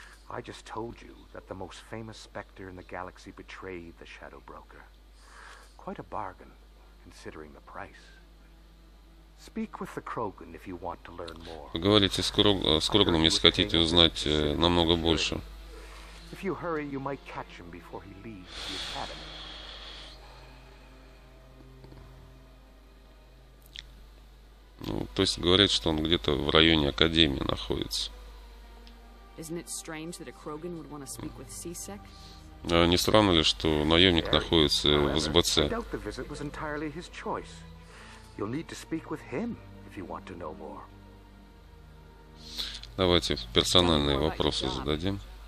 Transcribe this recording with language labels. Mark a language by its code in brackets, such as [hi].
[en] I just told you that the most famous specter in the galaxy betrayed the Shadow Broker. Quite a bargain, considering the price. Speak with the Krogan if you want to learn more. [ru] Поговорите с Кроганом, если хотите узнать намного больше. [en] If you hurry, you might catch him before he leaves the academy. [ru] Ну, то есть говорят, что он где-то в районе Академии находится. [en] Isn't it strange that a Krogan would want to speak with C-Sec? [ru] Не странно ли, что наемник находится в СБЦ? [en] I doubt the visit was entirely his choice. You'll need to speak with him if you want to know more. [ru] Давайте персональные вопросы зададим.